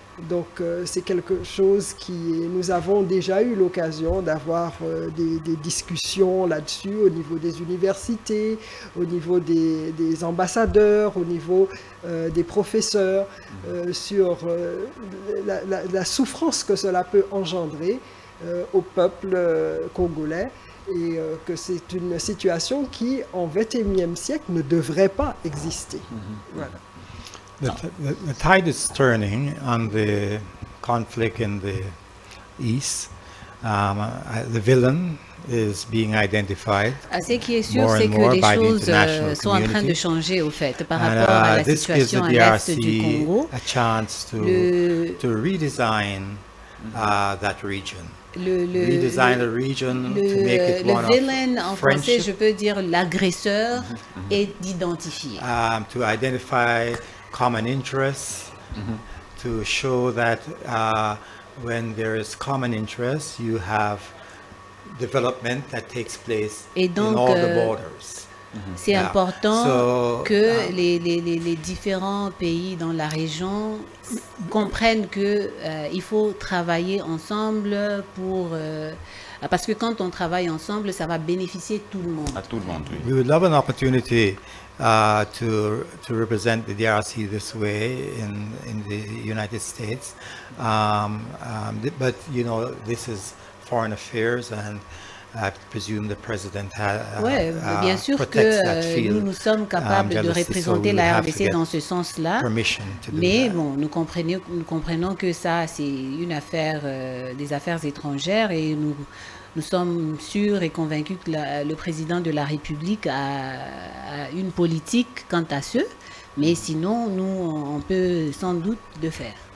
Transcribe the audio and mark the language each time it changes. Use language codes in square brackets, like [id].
[fr] Donc, c'est quelque chose qui... Nous avons déjà eu l'occasion d'avoir des discussions là-dessus au niveau des universités, au niveau des ambassadeurs, au niveau des professeurs, sur la souffrance que cela peut engendrer au peuple congolais, et que c'est une situation qui, en 21e siècle, ne devrait pas exister. Voilà. [en] The tide is turning on the conflict in the east. The villain is being identified more and more by the international community. This gives the DRC a chance to redesign that region. [fr] Le villain, en français, je peux dire l'agresseur, est d'identifier. [en] To identify common interests, to show that when there is common interest, you have development that takes place [fr] donc, [en] in all the borders. [fr] C'est important que les différents pays dans la région comprennent que il faut travailler ensemble pour parce que quand on travaille ensemble, ça va bénéficier tout le monde. À tout le monde, oui. [en] We would love an opportunity to represent the DRC this way in the United States, but you know this is foreign affairs and I presume the president has [fr] bien sûr que nous sommes capables de représenter [en] so [fr] la RDC dans ce sens-là, mais bon, nous comprenons que ça c'est une affaire des affaires étrangères et nous sommes sûrs et convaincus que le président de la République a une politique quant à ce, mais sinon, nous, on peut sans doute le faire.